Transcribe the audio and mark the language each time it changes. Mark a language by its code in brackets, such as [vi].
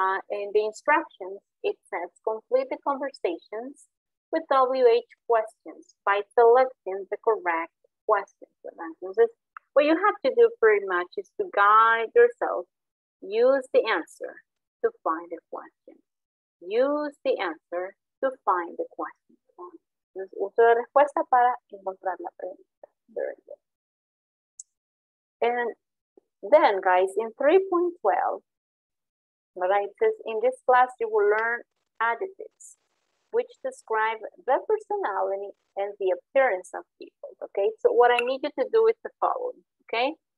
[en] In the instructions, it says complete the conversations with WH questions by selecting the correct questions. Entonces, what you have to do pretty much is to guide yourself, use the answer to find the question. Use the answer to find the question. [es] Entonces, uso la respuesta para encontrar la pregunta. [en] Very good. And then, guys, in 3.12, but it says, in this class, you will learn adjectives, which describe the personality and the appearance of people, okay? So what I need you to do is the following, okay?